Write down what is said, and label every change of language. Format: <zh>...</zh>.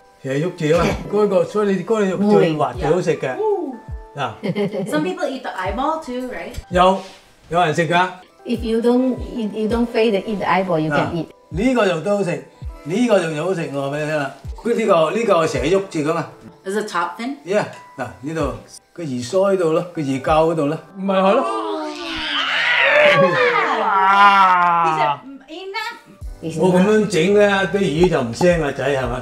<yue>其實肉住啊，嗰個所以你嗰個肉最滑最好食嘅。嗱</yue> <en>，Some people eat the eyeball too, right?</en> <yue>有人食噶。</yue> <en>If you don't fail to eat the eyeball, you can eat。</en> <yue>呢個肉都好食，呢個肉又好食，我話俾你聽啦。呢個成日喐住噶嘛。</yue> <en>Is the top fin?</en> <yue>Yeah， 嗱呢度個耳腮度咯，個耳臼嗰度咧，唔係係咯。哇！我咁樣整咧，啲魚就唔腥啦，仔係嘛？</yue>